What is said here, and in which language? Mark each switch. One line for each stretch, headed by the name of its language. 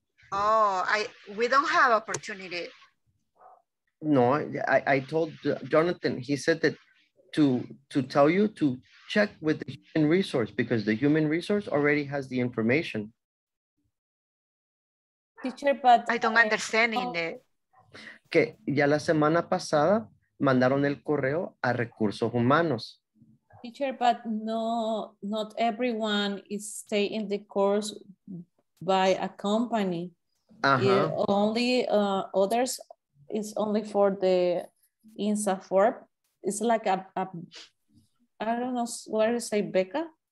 English: Oh, we don't have opportunity. No, I told Jonathan, he said that to tell you to check with the human resource because the human resource already has the information. Teacher, but I don't understand in the.
Spanish: Que ya la semana pasada mandaron el correo a recursos humanos.
English: Teacher, but no, not everyone is staying in the course by a company. Uh-huh. Only others is only for the INSAFORP. It's like a I don't know, what do you say, Becca?